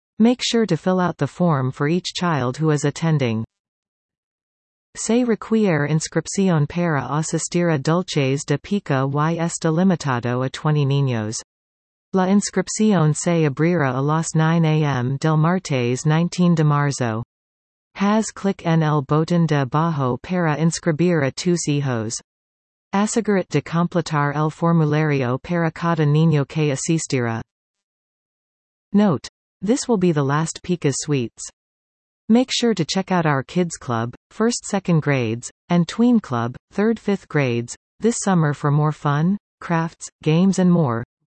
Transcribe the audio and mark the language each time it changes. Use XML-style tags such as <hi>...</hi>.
<en>Make sure to fill out the form for each child who is attending.</en> <es>Se requier inscripción para asistir a Dulces de Pico y está limitado a 20 niños. La inscripción se abrirá a las 9 a.m. del martes 19 de marzo. Haz clic en el botón de abajo para inscribir a tus hijos. Asegúrate de completar el formulario para cada niño que asistirá.</es> <en>Note: this will be the last Pica Suites. Make sure to check out our Kids Club, 1st-2nd grades, and Tween Club, 3rd-5th grades, this summer for more fun, crafts, games and more.</en>